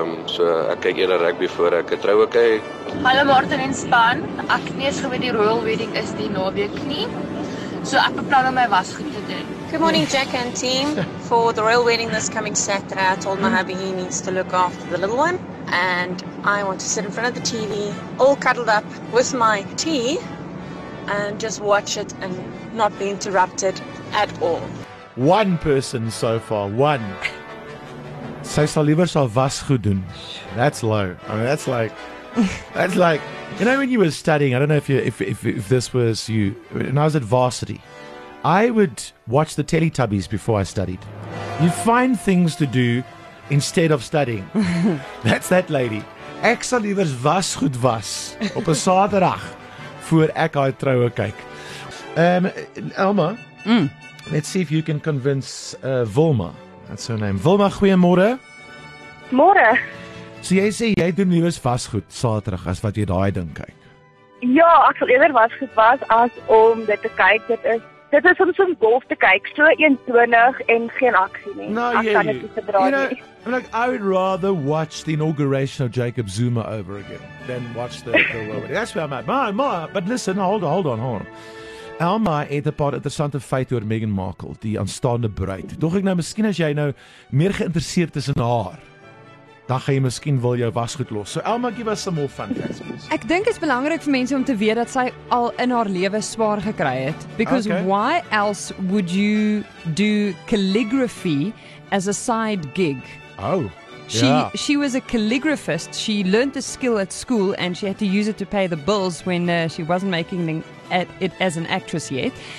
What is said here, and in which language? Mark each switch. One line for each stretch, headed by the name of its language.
Afrikaans: So ek kyk eerder rugby voor ek 'n troue kyk. Hallo Martin en span. Ek nie eens geweet die royal wedding is die naweek nie. So ek beplan om my wasgoed te doen.
English: Good morning, Jack and team. For the royal wedding this coming Saturday, I told my hubby he needs to look after the little one. And I want to sit in front of the TV, all cuddled up with my tea, and just watch it and not be interrupted at all. One person so far, one.
Afrikaans: Sy sal liever sal wasgoed doen.
English: That's low. I mean, that's like, you know, when you were studying, I don't know if this was you, when I was at varsity. I would watch the Teletubbies before I studied. You find things to do instead of studying. That's that lady.
Afrikaans: Ek sal liewers was goed was op 'n Saterdag voor ek haar troue kyk.
English: Elma, let's see if you can convince Wilma. That's her name. Wilma, goeiemôre.
Afrikaans: Môre. So jy sê jy doen liewers was goed Saterdag as wat jy daai ding kyk. Ja, ek sal eerder was goed was as om dit te kyk. Dit is soms om golf te kyk, so eentonig en geen aksie nie.
English: No,
Afrikaans: ek kan dit nie verdra nie.
English: Look, I would rather watch the inauguration of Jacob Zuma over again than watch the world. That's where I'm at. But listen, hold on.
Afrikaans: Alma het 'n paar interessante feite oor Meghan Markle, die aanstaande bruid. Dog ek nou, miskien as jy nou meer geïnteresseerd is in haar, dan gaan jy miskien wil jou wasgoed los.
English: So Alma, give us some more fun facts.
Afrikaans: Ek dink dit is belangrik vir mense om te weet dat sy al in haar lewe swaar gekry het.
English: Because why else would you do calligraphy as a side gig? Oh, She was a calligraphist. She learned the skill at school and she had to use it to pay the bills when she wasn't making it as an actress yet.